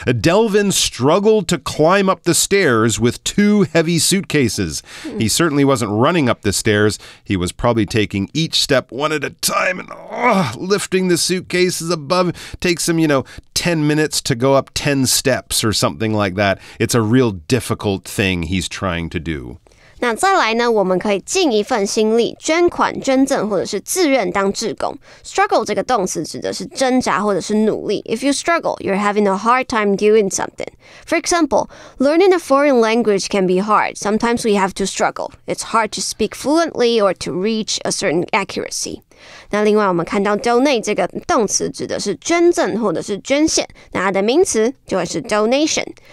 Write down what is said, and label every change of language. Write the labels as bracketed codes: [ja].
[en] Delvin struggled to climb up the stairs with 2 heavy suitcases. He certainly wasn't running up the stairs. He was probably taking each step one at a time and lifting the suitcases above takes him, you know, 10 minutes to go up 10 steps or something like that. It's a real difficult thing he's trying to do. [zh] 那再来呢，我们可以尽一份心力，捐款、捐赠或者是自愿当志工。 Struggle 这个动词指的是挣扎或者是努力。 [en] If you struggle, you're having a hard time doing something. For example, learning a foreign language can be hard. Sometimes we have to struggle. It's hard to speak fluently or to reach a certain accuracy. [zh] 那另外我们看到 donate 这个动词指的是捐赠或者是捐献，那它的名词就会是 donation。